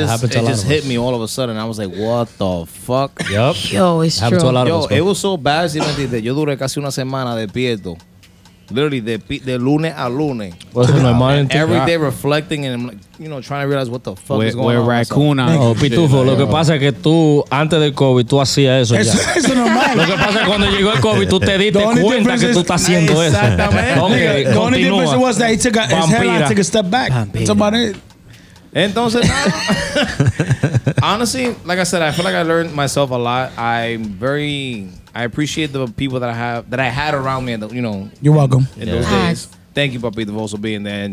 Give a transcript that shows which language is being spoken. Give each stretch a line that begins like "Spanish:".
English: It just hit me all of a sudden. I was like, what the fuck? Yep. Yo, it's true. To a lot Yo, of us, it was so bad.
Spanish: Yo duré casi una semana despierto. Literally, de lunes a lunes.
English: What's in my mind? Every day reflecting and, you know, trying to realize what the fuck is going on. We're raccoon on.
Spanish: No, Pitufo, lo que pasa es que tú, antes del COVID, tú hacías eso ya. Eso es normal. Lo que pasa es que cuando llegó el COVID, tú te diste cuenta que tú estás haciendo eso. Exactamente.
English: The only difference was that he took his hairline and took a step back. That's about it. Entonces, honestly, like I said, I feel like I learned myself a lot. I appreciate the people that I had around me. You know, you're welcome. In those days, thank you, Papi, for also being there.